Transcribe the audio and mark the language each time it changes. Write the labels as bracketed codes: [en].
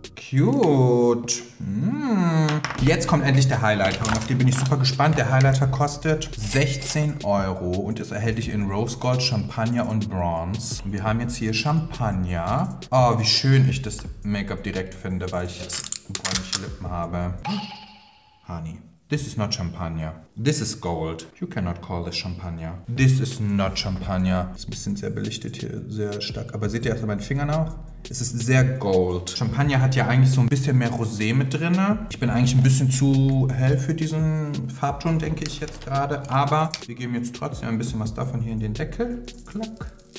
[de] Cute. Jetzt kommt endlich der Highlighter und auf den bin ich super gespannt. Der Highlighter kostet 16 Euro und ist erhältlich in Rose Gold, Champagner und Bronze. Und wir haben jetzt hier Champagner. Oh, wie schön ich das Make-up direkt finde, weil ich jetzt bräunliche Lippen habe. [en] Honey, this is not Champagner. This is gold. You cannot call this Champagner. This is not Champagner. [de] Ist ein bisschen sehr belichtet hier, sehr stark. Aber seht ihr erst mal meinen Fingern auch? Es ist sehr gold. Champagner hat ja eigentlich so ein bisschen mehr Rosé mit drin. Ich bin eigentlich ein bisschen zu hell für diesen Farbton, denke ich jetzt gerade. Aber wir geben jetzt trotzdem ein bisschen was davon hier in den Deckel. Klack.